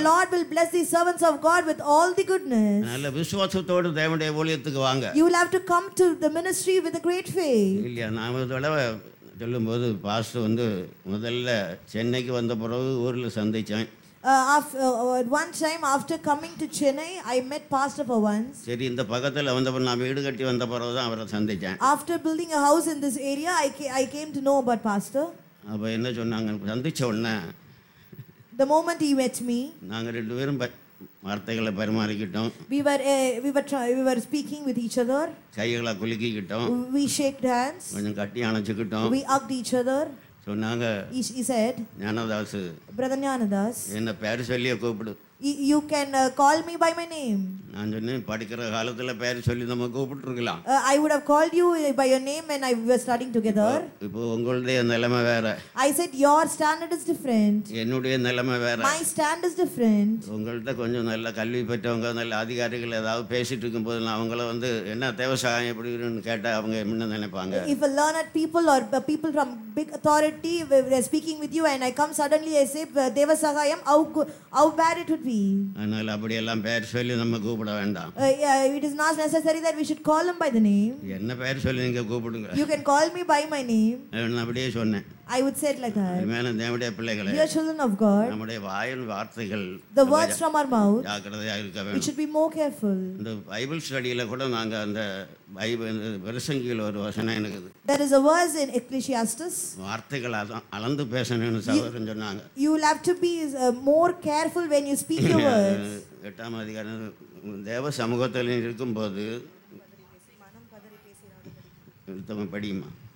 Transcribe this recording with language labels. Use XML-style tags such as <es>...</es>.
<en>The Lord will bless the servants of God with all the goodness.</en> <ta>நல்ல விசுவாசத்தோடு தேவனுடைய ஊழியத்துக்கு வாங்க.</ta> <en>You will have to come to the ministry with a great faith.</en> <ta>இல்லையா? நான் இதெல்லாம் சொல்லும்போது பாஸ்டர் வந்து முதல்ல சென்னைக்கு வந்த பிறகு ஊர்ல சந்திச்சேன்.</ta> <en>One time after coming to Chennai, I met pastor for once.</en> <ta>சரி, இந்த பக்கத்துல வந்தப்போ நான் வீடு கட்டி வந்த பிறகு தான் அவரை சந்திச்சேன்.</ta> <en>After building a house in this area, I came to know about pastor.</en> <ta>அப்ப என்ன சொன்னாங்க சந்திச்ச உடனே?</ta> <en>The moment he met me,</en> <ta>நாங்கள் ரெண்டு பேரும் வார்த்தைகளை பரிமாறிக்கிட்டோம்.</ta> <en>We were speaking with each other.</en> <ta>கைகளை குலுக்கிக்கிட்டோம்.</ta> <en>We shook hands.</en> <ta>கொஞ்சம் கட்டி அணைச்சுக்கிட்டோம்.</ta> <en>We hugged each other.</en> <ta>சொன்னாங்க,</ta> <en>he said,</en> <ta>Gnanadas, brother Gnanadas, என்ன பேர் சொல்லியே கூப்பிடு.</ta> <en>You can call me by my name.</en> <ta>நான் சொன்னே படிக்கிற காலத்துல பேர் சொல்லி நம்ம கூப்பிட்டிருக்கலாம்.</ta> <en>I would have called you by your name when we were studying together.</en> <ta>இப்போ உங்களுடைய நிலைமை வேற.</ta> <en>I said your standard is different.</en> <ta>என்னுடைய நிலைமை வேற.</ta> <en>My stand is different.</en> <ta>உங்கள்ட்ட கொஞ்சம் நல்ல கல்வி பெற்றவங்க நல்ல அதிகாரிகள் ஏதாவது பேசிட்டு இருக்கும்போது நான் அவங்கள வந்து என்ன தேவசாயம் எப்படி இருக்குன்னு கேட்டா அவங்க என்ன நினைப்பாங்க?</ta> <en>If a learned people or people from big authority were speaking with you and I come suddenly I say Devasayam how bad it would be.</en> <ta>அதனால் அப்படி எல்லாம் பேர் சொல்லி நம்ம கூப்பிட வேண்டாம்.</ta> <en>It is not necessary that we should call him by the name.</en> <ta>என்ன பேர் சொல்லி நீங்க கூப்பிடுங்க.</ta> <en>You can call me by my name.</en> <ta>நான் அப்படியே சொன்னேன்.</ta> <en>I would say it like that.</en> <ta>மேலே தேவனுடைய பிள்ளைகளே.</ta> <en>Dear children of God.</en> <ta>நம்முடைய வாயின் வார்த்தைகள்.</ta> <en>The words from our mouth.</en> <ta>ஜாக்கிரதையாக இருக்க வேண்டும்.</ta> <en>We should be more careful.</en> <ta>இந்த பைபிள் ஸ்டடியில கூட நாங்க அந்த பைபிள் பிரசங்கியில ஒரு வசனம் இருக்குது.</ta> <en>There is a verse in Ecclesiastes.</en> <ta>வார்த்தைகளை அளந்து பேசணும்னு சகோதரன் சொன்னாங்க.</ta> <en>You will have to be more careful when you speak your words.</en> <ta>எட்டாம் அதிகாரம் தேவ சமூகத்தில் இருக்கும்போது படியுமா?</ta>